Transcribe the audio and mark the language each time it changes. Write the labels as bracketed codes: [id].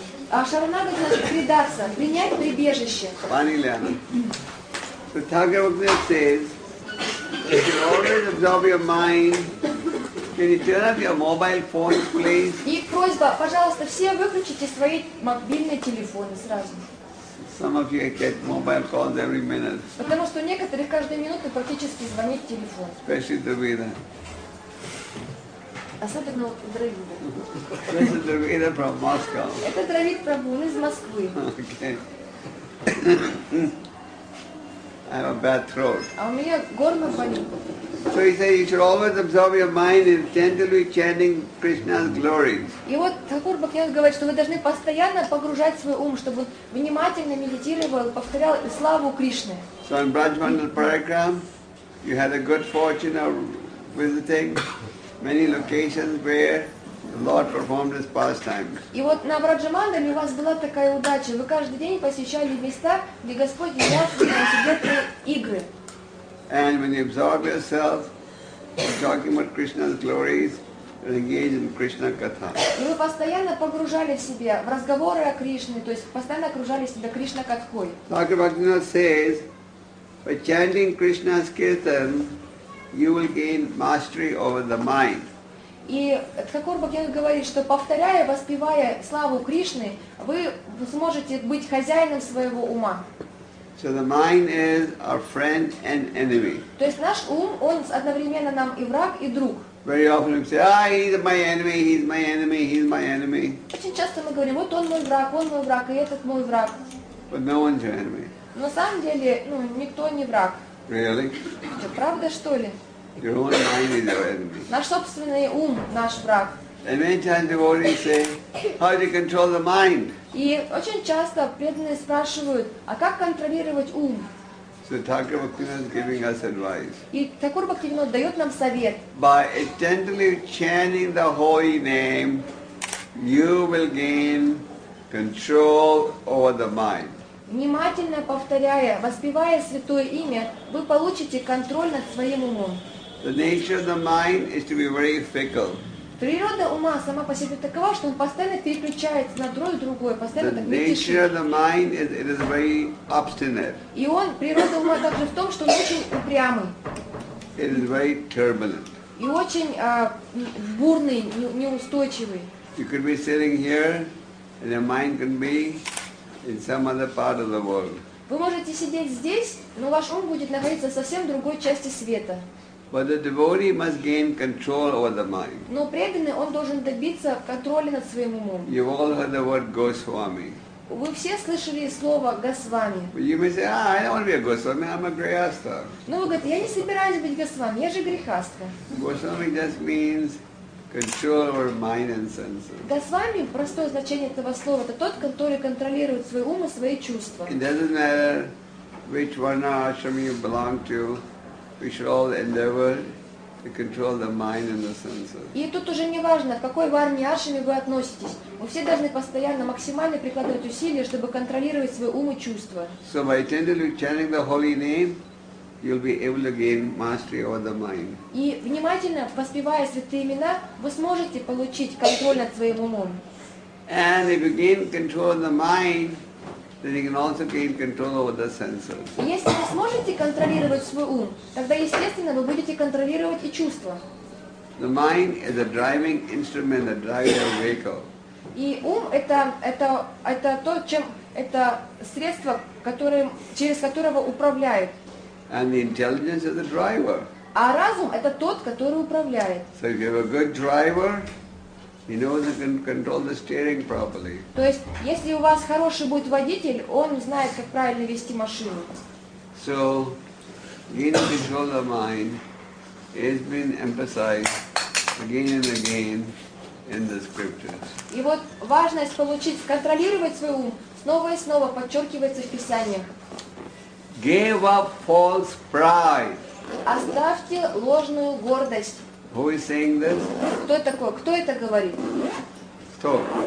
[ru] А Шаранагати значит предаться, принять прибежище. Пани Ляна. [en] So Thakur Bhaktivinoda says, if you always absorb your mind, can you turn off your mobile phone, please? [ru] И просьба, пожалуйста, все выключите свои мобильные телефоны сразу. [en] Some of you get mobile calls every minute. [ru] Потому что некоторые каждую минуту практически звонит телефон. [en] Especially Дравида. [ru] Особенно Дравида. [en] This is Дравида from Moscow. [ru] Это Дравид Прабху, он из Москвы. [en] Okay. I have a bad throat. [ru] А у меня горло болит. [en] So he said, you should always absorb your mind in gently chanting Krishna's glories. [ru] И вот Тхакур Бхактивинод говорит, что вы должны постоянно погружать свой ум, чтобы он внимательно медитировал, повторял славу Кришны. [en] So in Braj Mandal Parikram, you had a good fortune of visiting many locations where the Lord performed his pastimes. [ru] И вот на Браджмандале у вас была такая удача, вы каждый день посещали места, где Господь являлся на детские игры. [en] And when you absorb yourself in talking about Krishna's glories, you're engaged in Krishna katha. [ru] И вы постоянно погружали в себя в разговоры о Кришне, то есть постоянно окружали себя Кришна катхой. [en] Bhagavad Gita says, by chanting Krishna's kirtan, you will gain mastery over the mind. [ru] И Тхакур Бхактивинод говорит, что повторяя, воспевая славу Кришны, вы сможете быть хозяином своего ума. [en] So the mind is our friend and enemy. [ru] То есть наш ум, он одновременно нам и враг, и друг. [en] Very often we say, ah, he's my enemy, he's my enemy, he's my enemy. [ru] Очень часто мы говорим, вот он мой враг, и этот мой враг. [en] But no one's your enemy. [ru] На самом деле, ну, никто не враг. [en] Really? [ru] Это правда, что ли? [en] Your own mind is your enemy. [ru] Наш собственный ум, наш враг. [en] And many times devotees say, how do you control the mind? [ru] И очень часто преданные спрашивают, а как контролировать ум? [en] So Thakur Bhaktivinoda is giving us advice. [ru] И Thakur Bhaktivinoda дает нам совет. [en] By attentively chanting the holy name, you will gain control over the mind. [ru] Внимательно повторяя, воспевая святое имя, вы получите контроль над своим умом. [en] The nature of the mind is to be very fickle. [ru] Природа ума сама по себе такова, что он постоянно переключается на то и другое, постоянно так не тишит. [en] The nature of the mind is it is very obstinate. [ru] И он, природа ума также в том, что он очень упрямый. [en] It is very turbulent. [ru] И очень бурный, неустойчивый. [en] You could be sitting here, and your mind can be in some other part of the world. [ru] Вы можете сидеть здесь, но ваш ум будет находиться в совсем другой части света. [en] But the devotee must gain control over the mind. [ru] Но преданный он должен добиться контроля над своим умом. [en] You've all heard the word Goswami. [ru] Вы все слышали слово Госвами. [en] You may say, ah, I don't want to be a Goswami. I'm a grihastha. [ru] Ну, вы говорите, я не собираюсь быть Госвами. Я же грехастка. [en] Goswami just means control over mind and senses. [ru] Госвами простое значение этого слова это тот, который контролирует свой ум и свои чувства. [en] It doesn't matter which varna ashram you belong to. We should all endeavor to control the mind and the senses. [ru] И тут уже не важно, к какой варне ашраме вы относитесь. Вы все должны постоянно, максимально прикладывать усилия, чтобы контролировать свой ум и чувства. [en] So by attentively chanting the holy name, you'll be able to gain mastery over the mind. [ru] И внимательно воспевая святые имена, вы сможете получить контроль над своим умом. [en] And if you gain control of the mind, then you can also gain control over the senses. [ru] Если вы сможете контролировать свой ум, тогда естественно вы будете контролировать и чувства. [en] The mind is a driving instrument that drives your vehicle. [ru] И ум это то, чем это средство, которым через которого управляют. [en] And the intelligence is the driver. [ru] А разум это тот, который управляет. [en] So if you have a good driver, he knows he can control the steering properly. [ru] То есть, если у вас хороший будет водитель, он знает, как правильно вести машину. [en] So, gaining control of the mind has been emphasized again and again in the scriptures. [ru] И вот важность получить, контролировать свой ум снова и снова подчеркивается в Писаниях. [en] Give up false pride. [ru] Оставьте ложную гордость. [en] Who is saying this? [ru] Кто такой? Кто это говорит? Кто?